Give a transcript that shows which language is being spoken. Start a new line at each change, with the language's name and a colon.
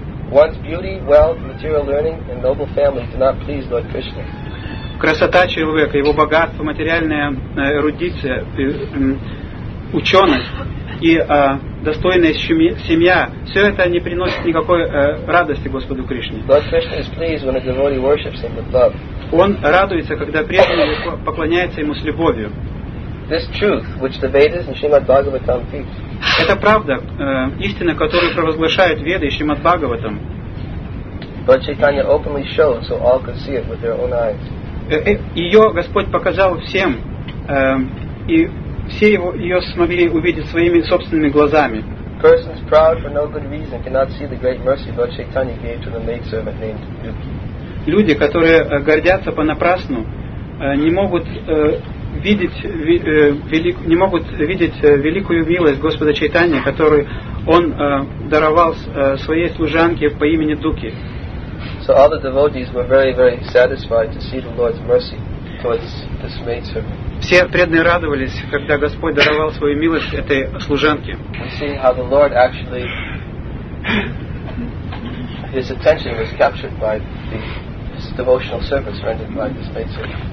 English: One's beauty, wealth, material learning, and noble family do not please Lord Krishna.
Russian: Красота человека, его богатство, материальная эрудиция, ученость и достойная семья, все это не приносит никакой радости Господу Кришне.
English: Lord Krishna is pleased when a devotee worships him with love.
Russian: Он радуется, когда преданный поклоняется ему с любовью.
English: This truth, which the Vedas and Srimad Bhagavatam teach.
Russian: Это правда, истина, которую провозглашают Веды и Шримад Бхагаватам.
English: Lord Chaitanya openly showed so all could see it with their own eyes.
Russian: Ее Господь показал всем, и все ее смогли увидеть своими собственными глазами.
English: Persons proud for no good reason cannot see the great mercy Lord Chaitanya gave to the maidservant named Duki.
Russian: Люди, которые гордятся понапрасну, не могут видеть великую милость Господа Чайтанья, которую он даровал своей служанке по имени Дуки.
English: So all the devotees were very, very satisfied to see the Lord's mercy towards this maidservant.
Russian: Все преданные радовались, когда Господь даровал свою милость этой служанке.
English: We see how the Lord actually his attention was captured by the devotional service rendered by this maidservant.